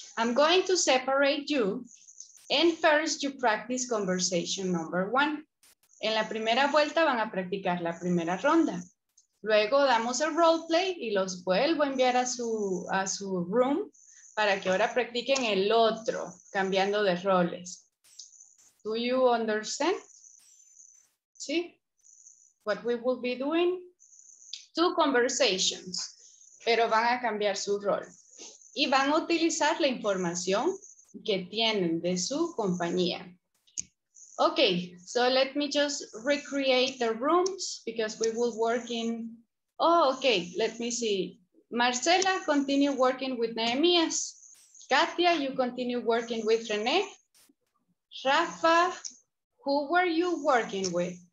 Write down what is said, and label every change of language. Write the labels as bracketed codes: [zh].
[en] I'm going to separate you, and first you practice conversation number 1. [es] En la primera vuelta van a practicar la primera ronda. Luego damos el role play y los vuelvo a enviar a su room para que ahora practiquen el otro, cambiando de roles. [en] Do you understand? ¿Sí? What we will be doing? Two conversations, [es] pero van a cambiar su rol. Y van a utilizar la información que tienen de su compañía. [en] Okay, so let me just recreate the rooms because we will work in... Oh, okay, let me see. Marcela, continue working with Nehemías. Katia, you continue working with René. Rafa, who were you working with?